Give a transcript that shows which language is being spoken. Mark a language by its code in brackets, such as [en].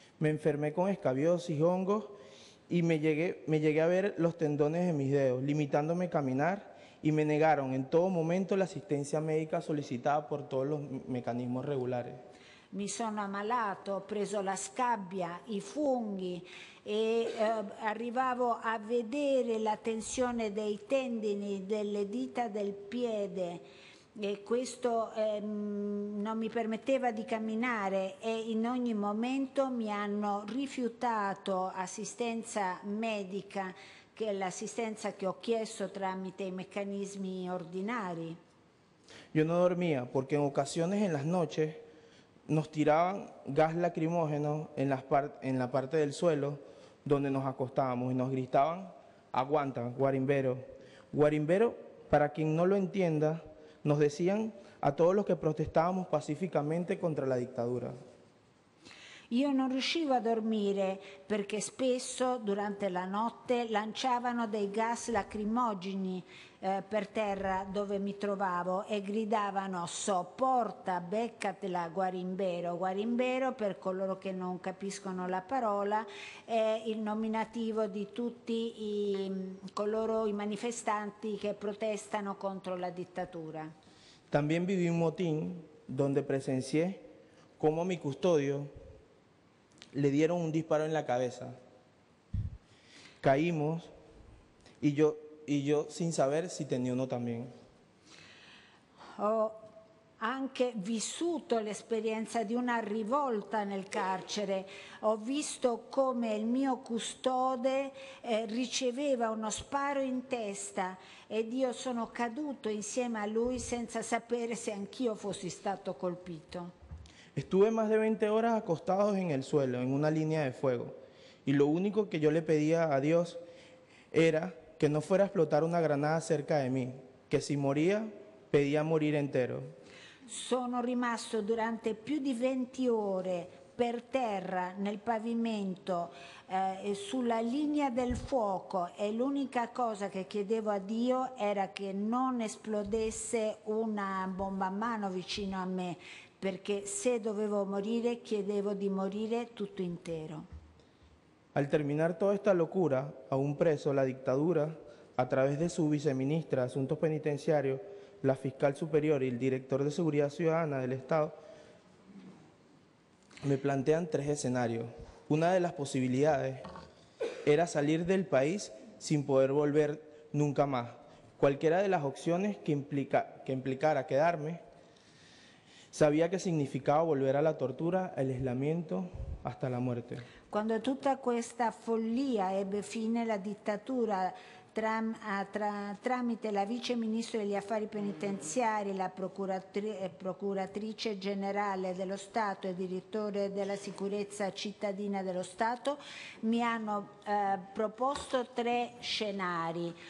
[es] Me enfermé con escabiosis, hongos, y me llegué a ver los tendones de mis dedos, limitándome a caminar, y me negaron en todo momento la asistencia médica solicitada por todos los mecanismos regulares. [it] Mi sono ammalato, ho preso la scabbia, i funghi, e arrivavo a vedere la tensione dei tendini, delle dita del piede, e questo non mi permetteva di camminare, e in ogni momento mi hanno rifiutato assistenza medica, che è l'assistenza che ho chiesto tramite i meccanismi ordinari. Io non [es] dormia perché in occasioni, in las noches, nos tiraban gas lacrimógeno en la parte del suelo donde nos acostábamos y nos gritaban, aguanta, guarimbero. Guarimbero, para quien no lo entienda, nos decían a todos los que protestábamos pacíficamente contra la dictadura. [it] Io non riuscivo a dormire perché spesso durante la notte lanciavano dei gas lacrimogeni per terra dove mi trovavo e gridavano sopporta, beccatela, guarimbero. Guarimbero, per coloro che non capiscono la parola, è il nominativo di tutti coloro i manifestanti che protestano contro la dittatura. [es] También viví un motín donde presencié como mi custodio le dieron un disparo en la cabeza. Caímos y yo sin saber si tenía uno también. [it] Ho anche vissuto l'esperienza di una rivolta nel carcere. Ho visto come il mio custode riceveva uno sparo in testa ed io sono caduto insieme a lui senza sapere se anch'io fossi stato colpito. [es] Estuve más de 20 horas acostados en el suelo, en una línea de fuego. Y lo único que yo le pedía a Dios era que no fuera a explotar una granada cerca de mí, que si moría, pedía morir entero. [it] Sono rimasto durante più di 20 ore per terra, nel pavimento, sulla linea del fuoco, e l'unica cosa che chiedevo a Dio era che non esplodesse una bomba a mano vicino a me. Perché se dovevo morire, chiedevo di morire tutto intero. [es] Al terminar toda esta locura, a un preso, la dictadura, a través de su viceministra de Asuntos Penitenciarios, la fiscal superior y el director de Seguridad Ciudadana del Estado, me plantean tres escenarios. Una de las posibilidades era salir del país sin poder volver nunca más. Cualquiera de las opciones que implicara quedarme, sabía que significaba volver a la tortura, el aislamiento, hasta la muerte. Cuando toda esta [it] follia ebbe fine, [es] la dictadura, [it] tramite la viceministra degli affari penitenziari, la procuratrice generale dello Stato e direttore della sicurezza cittadina dello Stato, mi hanno proposto tre scenari.